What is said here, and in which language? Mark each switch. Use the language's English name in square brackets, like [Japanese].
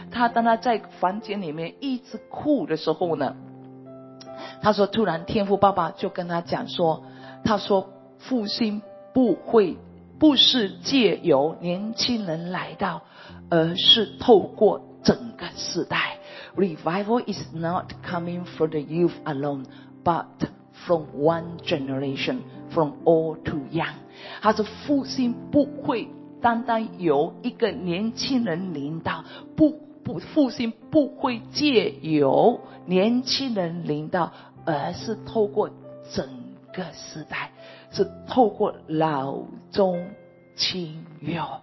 [Chinese] 他当他在房间里面一直哭的时候呢，他说突然天父爸爸就跟他讲说，他说复兴不是借由年轻人来到，而是透过整个世代。 [English] Revival is not coming from the youth alone, but from one generation, from old to young. [Chinese] 他说复兴不会单单由一个年轻人领导，复兴不会借由年轻人领导，而是透过整个时代，是透过老中青幼。